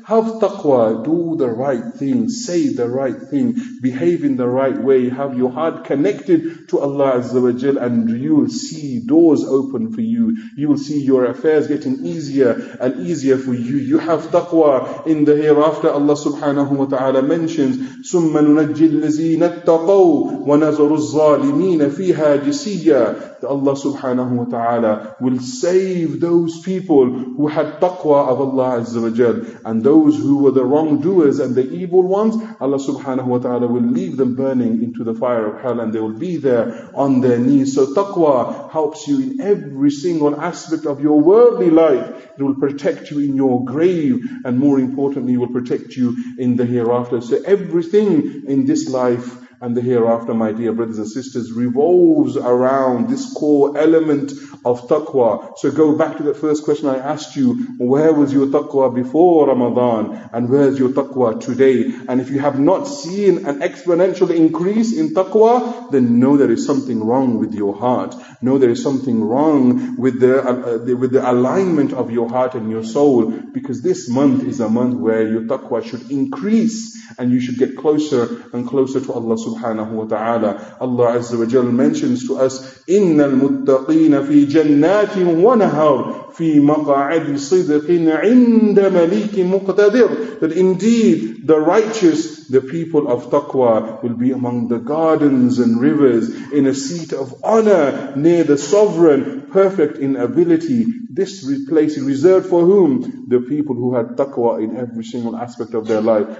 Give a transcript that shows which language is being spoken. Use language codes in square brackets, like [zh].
[en] Have taqwa, do the right thing, say the right thing, behave in the right way, have your heart connected to Allah Azza wa Jal, and you will see doors open for you. You will see your affairs getting easier and easier for you. You have taqwa in the hereafter. [ar] Allah subhanahu wa ta'ala mentions, ثُمَّ نُنَجِّ الَّذِينَ اتَّقَوْا وَنَذَرُ الظَّالِمِينَ فِيهَا جِسِيًّا. [en] Allah subhanahu wa ta'ala will save those people who had taqwa of Allah Azza wa Jal, and those who were the wrongdoers and the evil ones, Allah subhanahu wa ta'ala will leave them burning into the fire of hell, and they will be there on their knees. So taqwa helps you in every single aspect of your worldly life. It will protect you in your grave, and more importantly, it will protect you in the hereafter. So everything in this life and the hereafter, my dear brothers and sisters, revolves around this core element of taqwa. So go back to the first question I asked you, where was your taqwa before Ramadan, and where's your taqwa today? And if you have not seen an exponential increase in taqwa, then know there is something wrong with your heart. Know there is something wrong with the alignment of your heart and your soul, because this month is a month where your taqwa should increase, and you should get closer and closer to Allah. subhanahu wa ta'ala. [ar] Allah Azza wa Jal mentions to us, إِنَّ الْمُتَّقِينَ فِي جَنَّاتٍ وَنَهَرٍ فِي مَقَعَدِ صِدْقٍ عِنْدَ مَلِيكٍ مُقْتَدِرٍ. [en] That indeed the righteous, the people of taqwa, will be among the gardens and rivers in a seat of honor near the sovereign, perfect in ability. This place is reserved for whom? The people who had taqwa in every single aspect of their life.